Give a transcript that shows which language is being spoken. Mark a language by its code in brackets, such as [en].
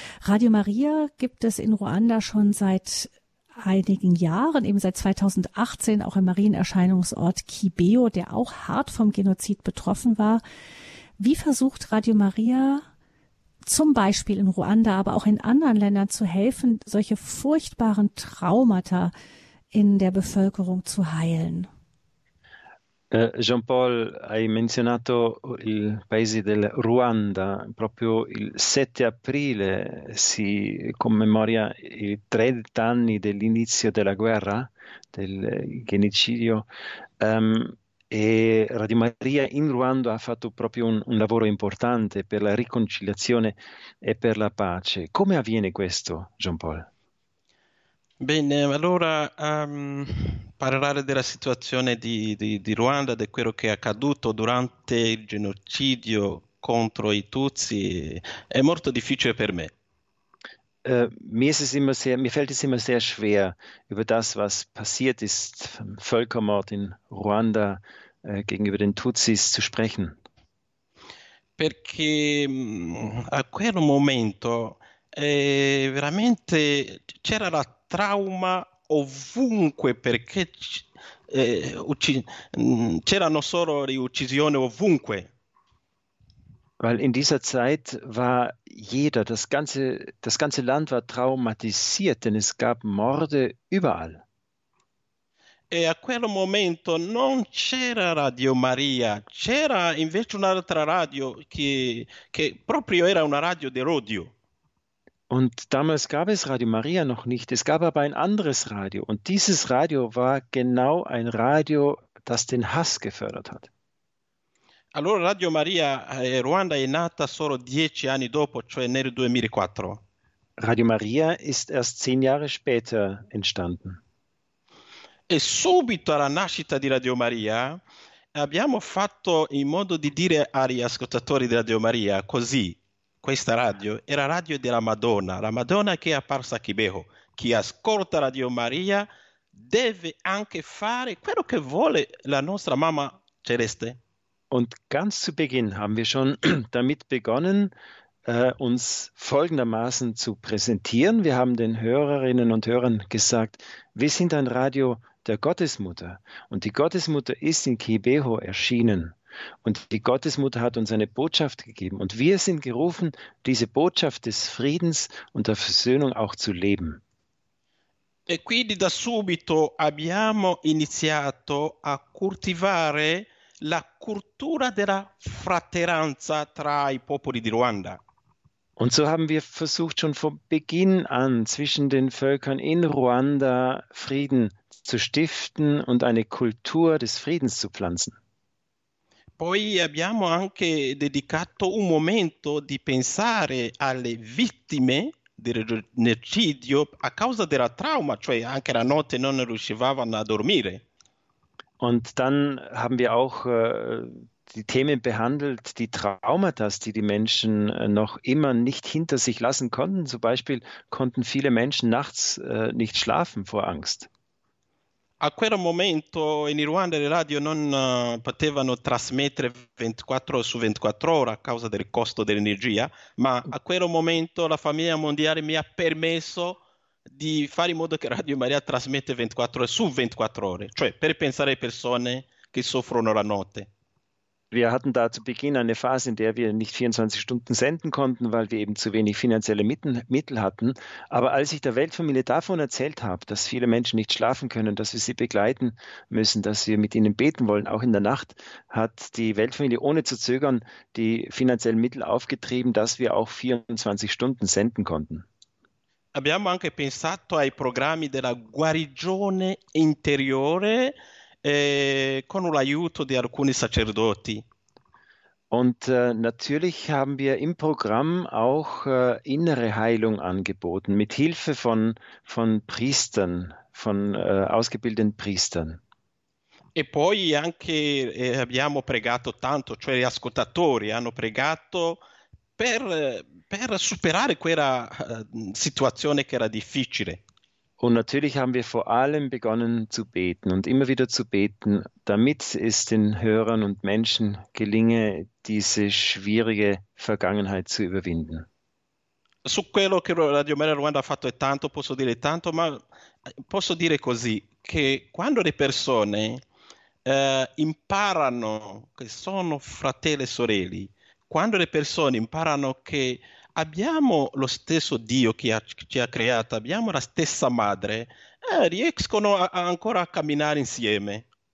[de] Radio Maria gibt es in Ruanda schon seit einigen Jahren, eben seit 2018, auch im Marienerscheinungsort Kibeho, der auch hart vom Genozid betroffen war. Wie versucht Radio Maria zum Beispiel in Ruanda, aber auch in anderen Ländern zu helfen, solche furchtbaren Traumata in der Bevölkerung zu heilen? [it] Jean-Paul, hai menzionato il paese del Ruanda, proprio il 7 aprile si commemora i 30 anni dell'inizio della guerra, del genocidio, e Radio Maria in Ruanda ha fatto proprio un lavoro importante per la riconciliazione e per la pace. Come avviene questo, Jean-Paul? Bene, allora parlare della situazione di Ruanda, di quello che è accaduto durante il genocidio contro i Tutsi, è molto difficile per me. [de] Mi fällt es immer sehr schwer, über das, was passiert ist, Völkermord in Ruanda gegenüber den Tutsis zu sprechen. [it] Perché a quel momento veramente c'era la trauma ovunque, perché c'erano solo le uccisioni ovunque. [de] Weil in dieser Zeit war jeder, das ganze Land war traumatisiert, denn es gab Morde überall. [it] E a quel momento non c'era Radio Maria, c'era invece un'altra radio che proprio era una radio di odio. [de] Und damals gab es Radio Maria noch nicht, es gab aber ein anderes Radio. Und dieses Radio war genau ein Radio, das den Hass gefördert hat. [it] Allora Radio Maria Ruanda è nata solo 10 anni dopo, cioè nel 2004. [de] Radio Maria ist erst 10 Jahre später entstanden. [it] E subito alla nascita di Radio Maria abbiamo fatto in modo di dire agli ascoltatori di Radio Maria così. Questa radio era radio della Madonna, la Madonna che è apparsa a Kibeho. Chi ascolta Radio Maria deve anche fare quello che vuole la nostra Mamma Celeste. [de] Und ganz zu Beginn haben wir schon damit begonnen, uns folgendermaßen zu präsentieren. Wir haben den Hörerinnen und Hörern gesagt, wir sind ein Radio der Gottesmutter. Und die Gottesmutter ist in Kibeho erschienen. Und die Gottesmutter hat uns eine Botschaft gegeben. Und wir sind gerufen, diese Botschaft des Friedens und der Versöhnung auch zu leben. [it] E quindi da subito abbiamo iniziato a coltivare la cultura della fratellanza tra i popoli di Ruanda. [de] Und so haben wir versucht, schon von Beginn an zwischen den Völkern in Ruanda Frieden zu stiften und eine Kultur des Friedens zu pflanzen. [it] Poi abbiamo anche dedicato un momento di pensare alle vittime del genocidio a causa del trauma, cioè anche la notte non riuscivano a dormire. [de] Und dann haben wir auch die Themen behandelt, die Traumata, die Menschen noch immer nicht hinter sich lassen konnten. Zum Beispiel konnten viele Menschen nachts nicht schlafen vor Angst. [it] A quel momento in Ruanda le radio non potevano trasmettere 24 su 24 ore a causa del costo dell'energia, ma a quel momento la famiglia mondiale mi ha permesso di fare in modo che Radio Maria trasmette 24 ore su 24 ore, cioè per pensare alle persone che soffrono la notte. [de] Wir hatten da zu Beginn eine Phase, in der wir nicht 24 Stunden senden konnten, weil wir eben zu wenig finanzielle Mittel hatten. Aber als ich der Weltfamilie davon erzählt habe, dass viele Menschen nicht schlafen können, dass wir sie begleiten müssen, dass wir mit ihnen beten wollen, auch in der Nacht, hat die Weltfamilie ohne zu zögern die finanziellen Mittel aufgetrieben, dass wir auch 24 Stunden senden konnten. [it] Abbiamo anche pensato ai programmi della guarigione interiore, con l'aiuto di alcuni sacerdoti. [de] Und natürlich haben wir im Programm auch innere Heilung angeboten, mit Hilfe von Priestern, von ausgebildeten Priestern. [it] E poi anche abbiamo pregato tanto, cioè gli ascoltatori hanno pregato per superare quella situazione che era difficile. [de] Und natürlich haben wir vor allem begonnen zu beten und immer wieder zu beten, damit es den Hörern und Menschen gelinge, diese schwierige Vergangenheit zu überwinden. [it] Su quello che Radio Maria Ruanda ha fatto è tanto, posso dire tanto, ma posso dire così, che quando le persone imparano che sono fratelli e sorelle, quando le persone imparano che abbiamo lo stesso Dio che ci ha creato, abbiamo la stessa madre, riescono ancora a camminare insieme.